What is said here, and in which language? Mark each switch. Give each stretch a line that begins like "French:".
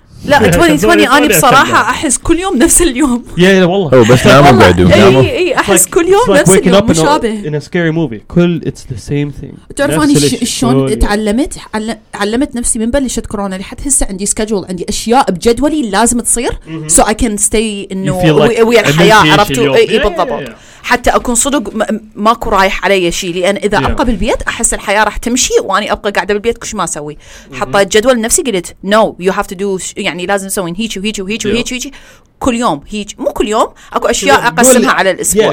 Arabic: لا 2020 أنا بصراحة أحس كل يوم نفس اليوم يا والله هو بس ناموا قاعدوا إيه أحس كل يوم نفس اليوم مشابه
English: in a scary movie
Arabic: كل
English: it's the same thing
Arabic: تعرف أنا شلون تعلمت نفسي من بلشت كورونا لحد هسه عندي سكجول عندي أشياء بجدولي لازم تصير
English: so I can stay
Arabic: إنه ويا الحياة عرفتوا إيه بالضبط حتى أكون صدق ماكو رايح علي شيء لأن إذا أبقى بالبيت أحس الحياة راح تمشي وأنا أبقى قاعدة بالبيت كش ما أسوي حطيت جدول لنفسي قلت
English: no you have to do
Arabic: يعني لازم نسوين هيك وهيك وهيك وهيك وهيك كل يوم هيك مو كل يوم أكو أشياء أقسمها على الأسبوع